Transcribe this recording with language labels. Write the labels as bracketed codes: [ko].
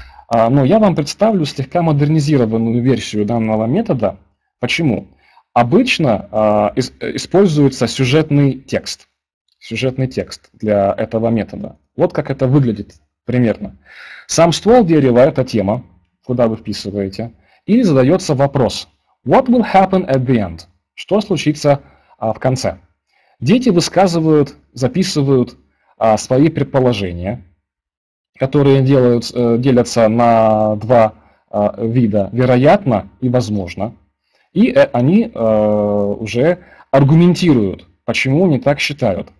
[ru] Но я вам представлю слегка модернизированную версию данного метода. Почему? Обычно используется сюжетный текст для этого метода. Вот как это выглядит примерно. Сам ствол дерева – это тема, куда вы вписываете. И задается вопрос, [en] what will happen at the end? [ru] Что случится в конце? Дети высказывают, записывают свои предположения, которые делятся на два вида, вероятно и возможно. И они уже аргументируют, почему они так считают.